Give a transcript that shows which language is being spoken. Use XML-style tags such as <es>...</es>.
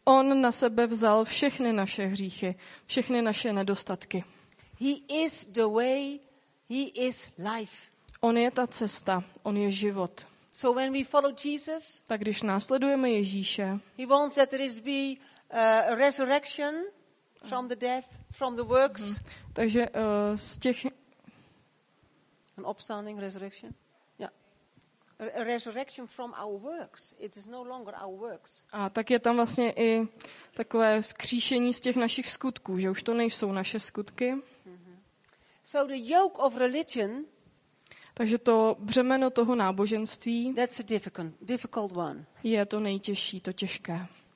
<cs>On na sebe vzal všechny naše hříchy, všechny naše nedostatky.</cs> <en>He is the way, he is life.</en> <cs>On je ta cesta, on je život.</cs> <en>So when we follow Jesus,</en> <cs>tak když následujeme Ježíše,</cs> <en>he wants that there is be a resurrection from the death, from the works. Mm-hmm.</en> <cs>Takže z těch</cs> <en>an upstanding resurrection. A resurrection from our works. It is no longer our works.</en> <cs>A tak je tam vlastně i takové vzkříšení z těch našich skutků, že už to nejsou naše skutky.</cs> <en>Mm-hmm. So the yoke of religion.</en> <cs>Takže to břemeno toho náboženství.</cs> <en>That's a difficult one.</en> <cs>Je to nejtěžší, to těžké.</cs>